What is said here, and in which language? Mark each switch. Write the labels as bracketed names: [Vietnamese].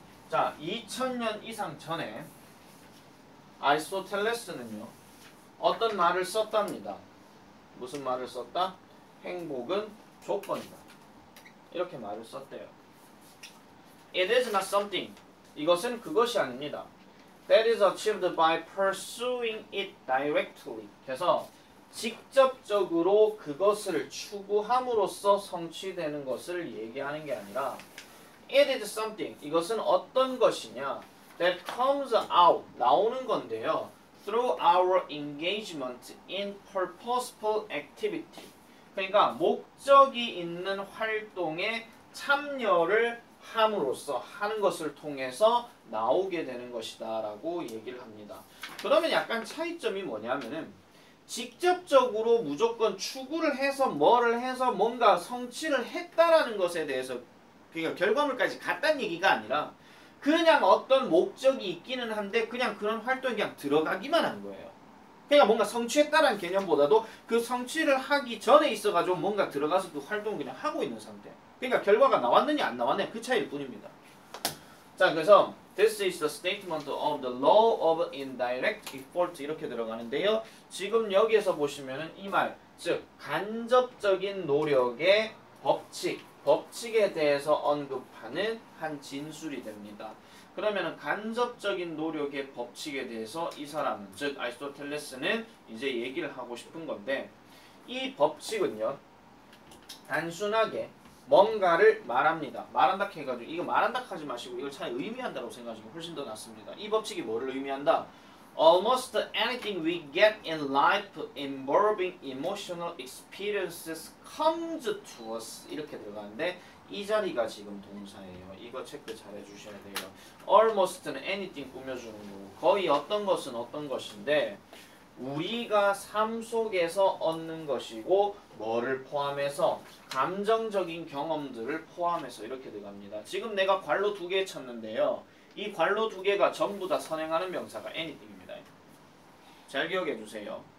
[Korean] 자, 2000년 이상 전에 아리스토텔레스는요, 어떤 말을 썼답니다. 무슨 말을 썼다? 행복은 조건이다. 이렇게 말을 썼대요. [English] It is not something. [Korean] 이것은 그것이 아닙니다. [English] That is achieved by pursuing it directly. [Korean] 그래서 직접적으로 그것을 추구함으로써 성취되는 것을 얘기하는 게 아니라 [English] It is something. [Korean] 이것은 어떤 것이냐? [English] That comes out. [Korean] 나오는 건데요. [English] Through our engagement in purposeful activity. [Korean] 그러니까 목적이 있는 활동에 참여를 함으로써 하는 것을 통해서 나오게 되는 것이다 라고 얘기를 합니다. 그러면 약간 차이점이 뭐냐면은 직접적으로 무조건 추구를 해서 뭐를 해서 뭔가 성취를 했다라는 것에 대해서 그러니까 결과물까지 갔다는 얘기가 아니라 그냥 어떤 목적이 있기는 한데 그냥 그런 활동이 그냥 들어가기만 한 거예요. 그러니까 뭔가 성취했다라는 개념보다도 그 성취를 하기 전에 있어가지고 뭔가 들어가서 그 활동을 그냥 하고 있는 상태. 그러니까 결과가 나왔느냐 안 나왔느냐 그 차이일 뿐입니다. 자 그래서 [English] This is the statement of the law of indirect effort [Korean] 이렇게 들어가는데요. 지금 여기에서 보시면은 이 말, 즉 간접적인 노력의 법칙에 대해서 언급하는 한 진술이 됩니다. 그러면은 간접적인 노력의 법칙에 대해서 이 사람은, 즉 아리스토텔레스는 이제 얘기를 하고 싶은 건데 이 법칙은요 단순하게 뭔가를 말합니다. 말한다 해가지고 이거 말한다 하지 마시고 이걸 차라리 의미한다고 생각하시면 훨씬 더 낫습니다. 이 법칙이 뭐를 의미한다? [English] Almost anything we get in life involving emotional experiences comes to us [Korean] 이렇게 들어가는데 이 자리가 지금 동사예요. 이거 체크 잘 해주셔야 돼요. Almost는 anything 꾸며주는 거고 거의 어떤 것은 어떤 것인데 우리가 삶 속에서 얻는 것이고 뭐를 포함해서 감정적인 경험들을 포함해서 이렇게 들어갑니다. 지금 내가 괄호 두 개 쳤는데요. 이 괄호 두 개가 전부 다 선행하는 명사가 anything입니다. 잘 기억해 주세요.